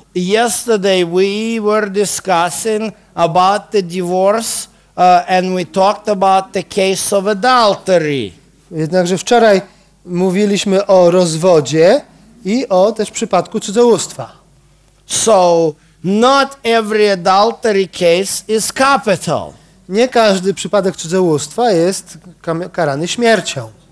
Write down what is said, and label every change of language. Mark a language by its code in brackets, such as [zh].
[en] Yesterday we were discussing about the divorce and we talked about the case of adultery. [pl] Jednakże wczoraj mówiliśmy o rozwodzie i o też przypadku cudzołóstwa. [en] So not every adultery case is capital. [pl] Nie każdy przypadek cudzołóstwa jest karany śmiercią.